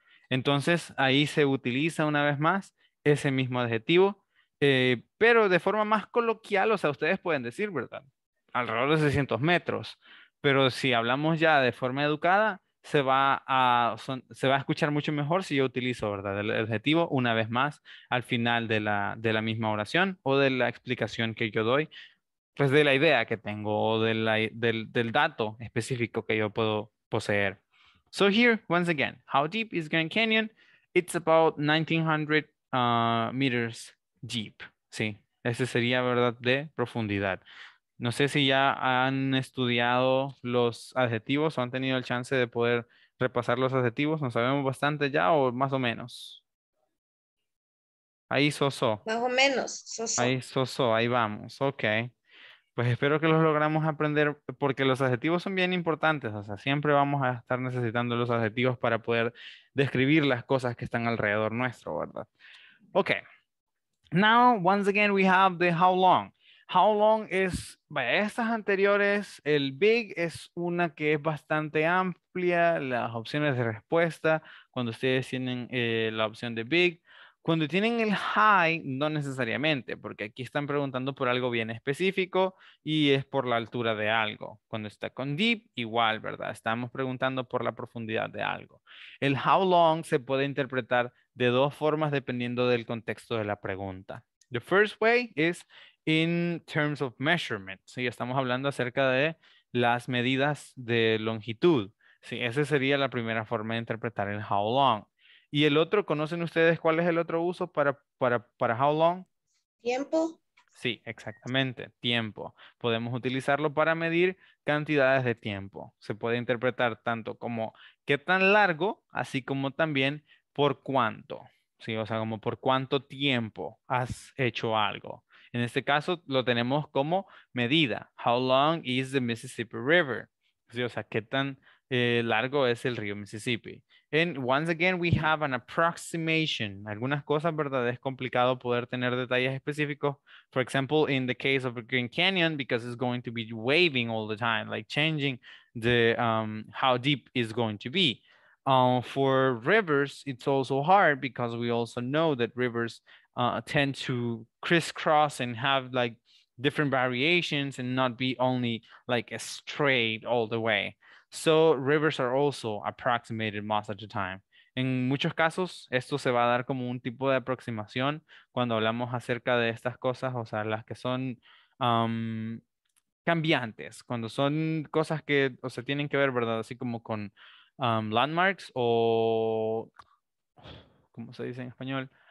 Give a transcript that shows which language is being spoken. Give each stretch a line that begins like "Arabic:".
Spanish: Entonces, ahí se utiliza una vez más ese mismo adjetivo, pero de forma más coloquial. O sea, ustedes pueden decir, ¿verdad?, alrededor de 600 metros, pero si hablamos ya de forma educada, se va a escuchar mucho mejor si yo utilizo, ¿verdad?, el adjetivo una vez más al final de la misma oración o de la explicación que yo doy, pues de la idea que tengo o del dato específico que yo puedo poseer.
English: So here, once again, how deep is Grand Canyon? It's about 1900 meters deep.
Spanish: Sí, ese sería, ¿verdad?, de profundidad. No sé si ya han estudiado los adjetivos o han tenido el chance de poder repasar los adjetivos. ¿No sabemos bastante ya o más o menos? Ahí soso. Más o menos, soso. Ahí soso, ahí vamos. Ok. Pues espero que los logramos aprender porque los adjetivos son bien importantes. O sea, siempre vamos a estar necesitando los adjetivos para poder describir las cosas que están alrededor nuestro, ¿verdad? Ok.
English: Now, once again, we have the how long.
Spanish: How long es, vaya, estas anteriores, el big es una que es bastante amplia, las opciones de respuesta, cuando ustedes tienen la opción de big. Cuando tienen el high, no necesariamente, porque aquí están preguntando por algo bien específico y es por la altura de algo. Cuando está con deep, igual, ¿verdad? Estamos preguntando por la profundidad de algo. El how long se puede interpretar de dos formas dependiendo del contexto de la pregunta.
English: The first way is in terms of measurement.
Spanish: Sí, estamos hablando acerca de las medidas de longitud. Sí, esa sería la primera forma de interpretar el how long. Y el otro, ¿conocen ustedes cuál es el otro uso para how long? ¿Tiempo? Sí, exactamente, tiempo. Podemos utilizarlo para medir cantidades de tiempo. Se puede interpretar tanto como qué tan largo, así como también por cuánto. Sí, o sea, como por cuánto tiempo has hecho algo. En este caso lo tenemos como medida.
English: How long is the Mississippi River?
Spanish: Sí, o sea, qué tan largo es el río Mississippi.
English: And once again, we have an approximation.
Spanish: Algunas cosas, ¿verdad?, es complicado poder tener detalles específicos.
English: For example, in the case of a Grand Canyon, because it's going to be waving all the time, like changing the how deep is going to be. For rivers, it's also hard because we also know that rivers tend to crisscross and have like different variations and not be only like a straight all the way. So rivers are also approximated most of the time.
Spanish: En muchos casos, esto se va a dar como un tipo de aproximación cuando hablamos acerca de estas cosas, o sea, las que son cambiantes, cuando son cosas que, o sea, tienen que ver, ¿verdad? Así como con landmarks o, ¿cómo se dice en español?